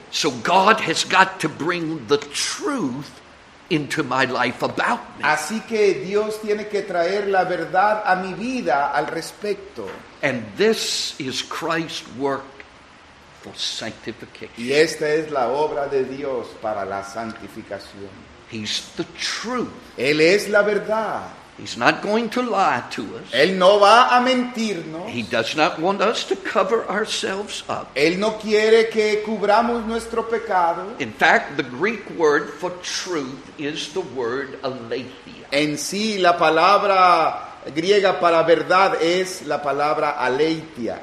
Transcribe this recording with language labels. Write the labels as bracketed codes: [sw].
[en] So God has got to bring the truth into my life about me. [es] Así que Dios tiene que traer la verdad a mi vida al respecto. [en] And this is Christ's work for sanctification. [es] Y esta es la obra de Dios para la santificación. [en] He's the truth. [es] Él es la verdad. [en] He's not going to lie to us. [es] Él no va a mentirnos. [en] He does not want us to cover ourselves up. [es] Él no quiere que cubramos nuestro pecado. [en] In fact, the Greek word for truth is the word aletheia. [es] En sí, la palabra griega para verdad es la palabra aletheia.